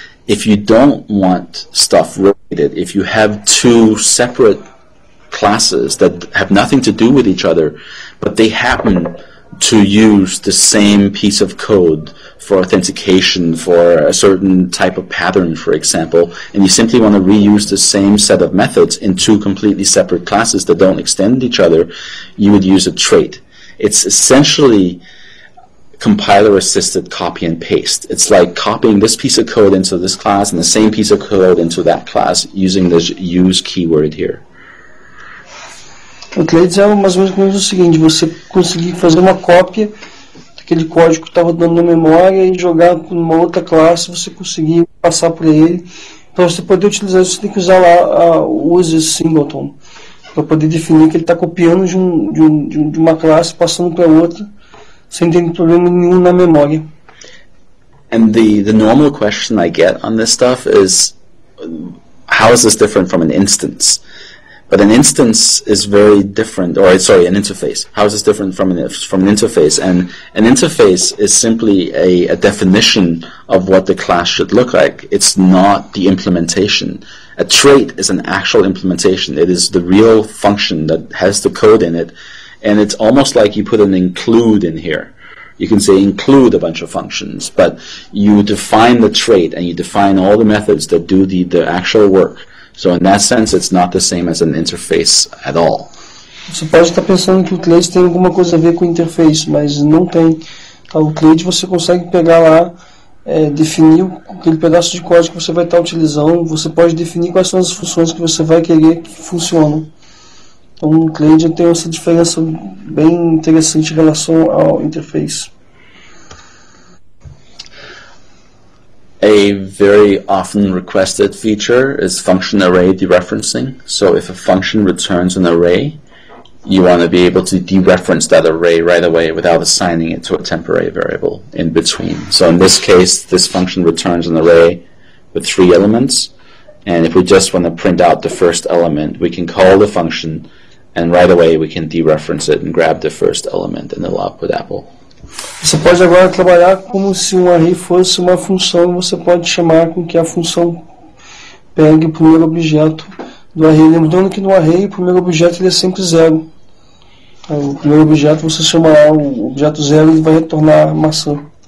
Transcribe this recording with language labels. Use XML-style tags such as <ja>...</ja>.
<en>If you don't want stuff related, if you have two separate classes that have nothing to do with each other, but they happen to use the same piece of code for authentication for a certain type of pattern, for example, and you simply want to reuse the same set of methods in two completely separate classes that don't extend each other, you would use a trait. It's essentially compiler-assisted copy and paste. It's like copying this piece of code into this class and the same piece of code into that class using this use keyword here.</en> <pt>O traits é mais ou menos o seguinte, você conseguir fazer uma cópia daquele código que está rodando na memória e jogar para uma outra classe, você conseguir passar por ele. Para você poder utilizar, você tem que usar lá a use singleton, para poder definir que ele está copiando de uma classe, passando para outra, sem ter problema nenhum na memória.</pt> <en>And the normal question I get on this stuff is, how is this different from an instance? But an instance is very different, or sorry, an interface. How is this different from an interface? And an interface is simply a definition of what the class should look like. It's not the implementation. A trait is an actual implementation. It is the real function that has the code in it. And it's almost like you put an include in here. You can say include a bunch of functions, but you define the trait and you define all the methods that do the actual work. So in that sense, it's not the same as an interface at all.</en> <pt>Você pode estar pensando que o trait tem alguma coisa a ver com interface, mas não tem. O trait você consegue pegar lá, definir aquele pedaço de código que você vai estar utilizando, você pode definir quais são as funções que você vai querer que funcionem. Então o trait tem essa diferença bem interessante em relação ao interface.</pt> <en>A very often requested feature is function array dereferencing. So if a function returns an array, you want to be able to dereference that array right away without assigning it to a temporary variable in between. So in this case, this function returns an array with three elements. And if we just want to print out the first element, we can call the function, and right away we can dereference it and grab the first element in the output apple.</en> <pt>Você pode agora trabalhar como se um array fosse uma função e você pode chamar com que a função pegue o primeiro objeto do array. Lembrando que no array o primeiro objeto ele é sempre zero. O primeiro objeto você chama lá o objeto zero e ele vai retornar a maçã.</pt>